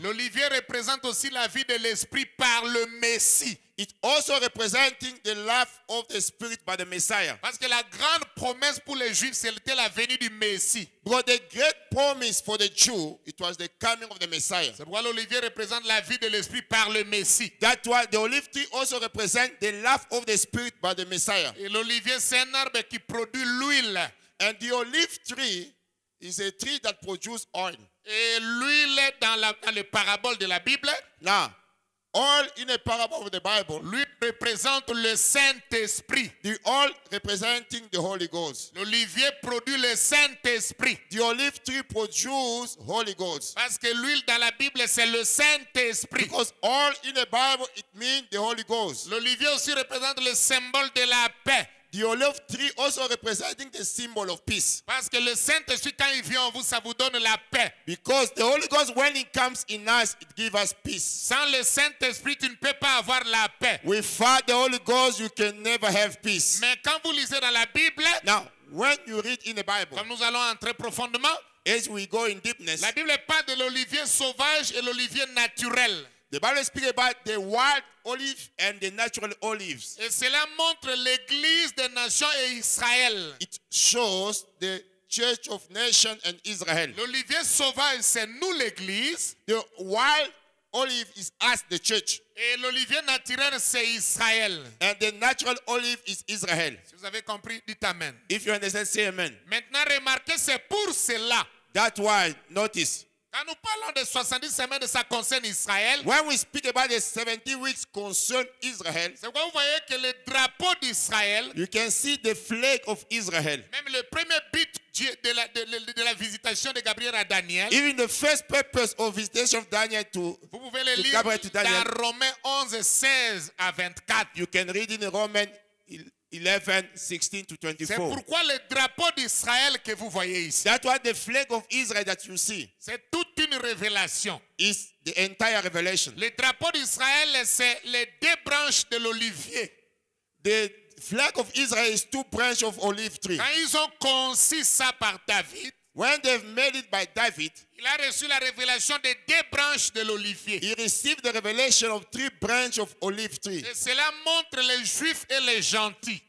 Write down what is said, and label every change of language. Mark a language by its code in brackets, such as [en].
[fr] L'olivier représente aussi la vie de l'esprit par le Messie. [en] It also representing the life of the spirit by the Messiah. [fr] Parce que la grande promesse pour les Juifs c'était la venue du Messie. [en] But the great promise for the Jew, it was the coming of the Messiah. [fr] C'est pourquoi l'olivier représente la vie de l'esprit par le Messie. [en] That's why the olive tree also represents the life of the spirit by the Messiah. [fr] Et l'olivier c'est un arbre qui produit l'huile. [en] And the olive tree is a tree that produces oil. [fr] Et l'huile dans les paraboles de la Bible. [en] Now, all in a parable of the Bible. [fr] Lui représente le Saint-Esprit. [en] The all representing the Holy Ghost. [fr] L'olivier produit le Saint-Esprit. [en] The olive tree produces Holy Ghost. [fr] Parce que l'huile dans la Bible, c'est le Saint-Esprit. [en] Because all in the Bible, it means the Holy Ghost. [fr] L'olivier aussi représente le symbole de la paix. [en] The olive tree also representing the symbol of peace. [fr] Parce que le Saint-Esprit, quand il vient en vous, ça vous donne la paix. [en] Because the Holy Ghost, when he comes in us, it gives us peace. [fr] Sans le Saint-Esprit, tu ne peux pas avoir la paix. [en] Without the Holy Ghost, you can never have peace. [fr] Mais quand vous lisez dans la Bible, [en] now, when you read in the Bible, [fr] quand nous allons entrer profondément, [en] as we go in deepness, [fr] la Bible parle de l'olivier sauvage et l'olivier naturel. [en] The Bible speaks about the wild olive and the natural olives. [fr] Et cela montre l'église des nations et Israël. [en] It shows the Church of Nations and Israel. [fr] L'olivier sauvage, c'est nous l'église. [en] The wild olive is us, the church. [fr] Et l'olivier naturel, c'est Israël. [en] And the natural olive is Israel. [fr] Si vous avez compris, dites amen. [en] If you understand, say amen. [fr] Maintenant, remarquez, c'est pour cela. [en] That's why, notice. [fr] Quand nous parlons des 70 semaines, ça concerne Israël. [en] When we speak about the 70 weeks concern Israel, [fr] c'est quoi, vous voyez que le drapeau d'Israël, [en] you can see the flag of Israel. [fr] Même le premier but de la visitation de Gabriel à Daniel. [en] Even the first purpose of visitation of Daniel to [fr] Vous pouvez le lire [en] Gabriel to Daniel. [fr] Dans Romains 11, 16 à 24. [en] You can read in Romans 11, 16 to 24. [fr] C'est pourquoi le drapeau d'Israël que vous voyez ici. [en] That's why the flag of Israel that you see. [fr] C'est toute une révélation. [en] Is the entire revelation. [fr] Le drapeau d'Israël, c'est les deux branches de l'olivier. [en] The flag of Israel is two branches of olive tree. [fr] Quand ils ont concis ça par David. [en] When they've made it by David. [fr] Il a reçu la révélation des deux branches de l'olivier. [en] He received the revelation of three branches of olive tree. [fr] Et cela montre les juifs et les gentils.